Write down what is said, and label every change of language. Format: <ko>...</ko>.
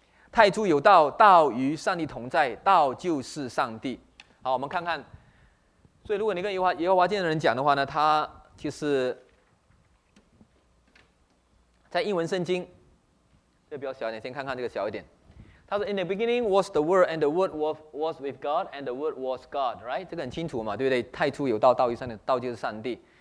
<zh>太初有道，道与上帝同在，道就是上帝。好，我们看看。所以如果你跟耶和华见证人讲的话呢，他就是在英文圣经，这个比较小一点，先看看这个小一点。</zh> <en>他说 ：“In the beginning was the word, and the word was with God, and the word was God.”</en> <zh>Right? 这个很清楚嘛，对不对？太初有道，道与上帝，道就是上帝。</zh>